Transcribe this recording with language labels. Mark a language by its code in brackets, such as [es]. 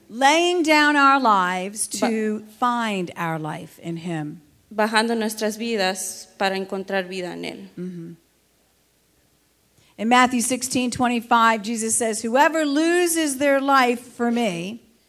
[en] Laying down our lives to find our life in Him. [es] Bajando nuestras vidas para encontrar vida en Él. Mm-hmm. [en] In Matthew 16:25, Jesus says, whoever loses their life for me.